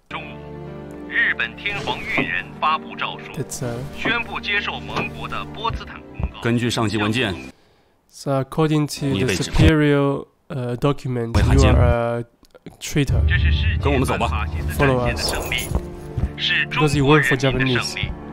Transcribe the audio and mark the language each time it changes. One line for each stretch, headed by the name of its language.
Chinese: 中午，日本天皇裕仁发布诏书，宣布接受盟国的波茨坦公告。根据上级文件。
English: So according to the superior document, you are a traitor.
Chinese: 这是世界反法西斯战线的胜利，是中国人民的胜利。